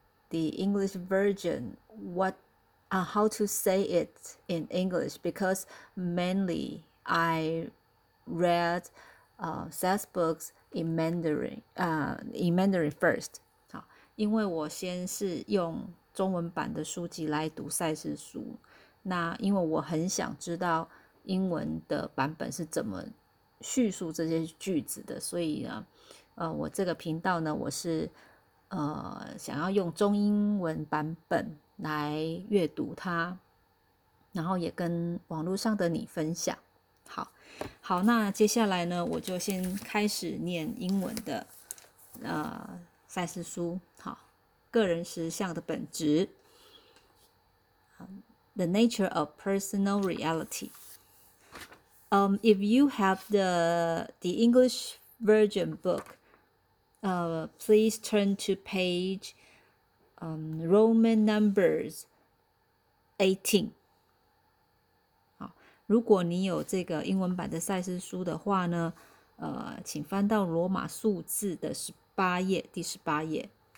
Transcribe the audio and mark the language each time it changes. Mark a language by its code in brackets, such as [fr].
[en] the English version, how to say it in English, because mainly I read Seth's books in Mandarin first. [zh] 好，因为我先是用中文版的书籍来读赛斯书，那因为我很想知道英文的版本是怎么叙述这些句子的，所以呢，我这个频道呢，我是想要用中英文版本来阅读它，然后也跟网络上的你分享。好，好，那接下来呢，我就先开始念英文的赛斯书。好，个人实相的本质。 [en] The nature of personal reality. If you have the English version book, please turn to page Roman numbers 18. [zh] 好，如果你有这个英文版的赛斯书的话呢，请翻到罗马数字的第十八页。